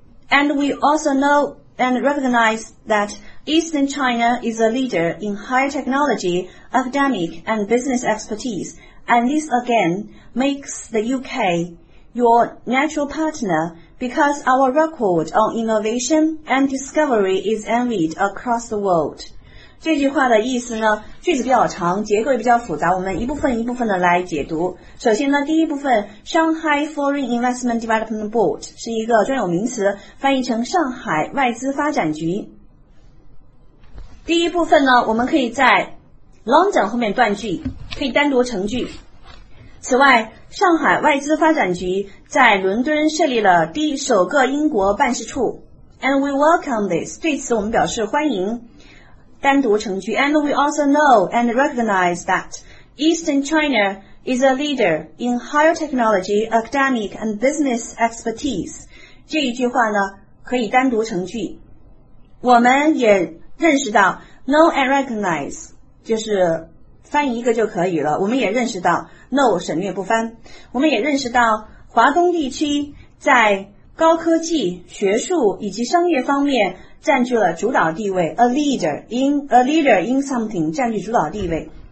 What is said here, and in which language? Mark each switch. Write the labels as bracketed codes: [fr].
[en] And we also knowand recognize that Eastern China is a leader in high technology, academic and business expertise, and this again makes the UK your natural partner because our record on innovation and discovery is envied across the world. [zh] 这句话的意思呢，句子比较长，结构也比较复杂，我们一部分一部分的来解读。首先呢，第一部分 Shanghai Foreign Investment Development Board 是一个专有名词，翻译成上海外资发展局。第一部分呢，我们可以在 London 后面断句，可以单独成句。此外，上海外资发展局在伦敦设立了第一首个英国办事处， [en] and we welcome this， [zh] 对此我们表示欢迎，单独成句。 [en] And we also know and recognize that Eastern China is a leader in higher technology, academic and business expertise. [zh] 这一句话呢可以单独成句。我们也认识到 [en] know and recognize [zh] 就是翻译一个就可以了，我们也认识到 [en] know [zh] 省略不翻，我们也认识到华东地区在高科技、学术以及商业方面占据了主导地位， [en] a leader in something [zh] 占据主导地位。